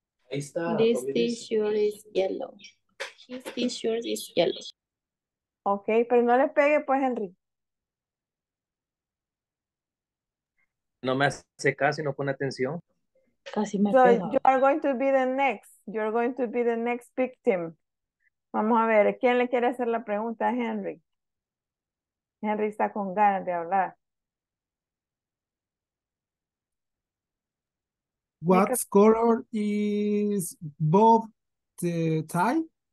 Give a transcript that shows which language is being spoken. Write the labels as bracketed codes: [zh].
[es] Ahí está. [en] This t-shirt is yellow. His t-shirt is yellow. [es] Ok, pero no le pegue pues, Henry. No me hace caso y no pone atención. Casi me pega. [en] You are going to be the next. You are going to be the next victim. [es] Vamos a ver, ¿quién le quiere hacer la pregunta a Henry? Henry está con ganas de hablar. [en] What color is Bob's tie?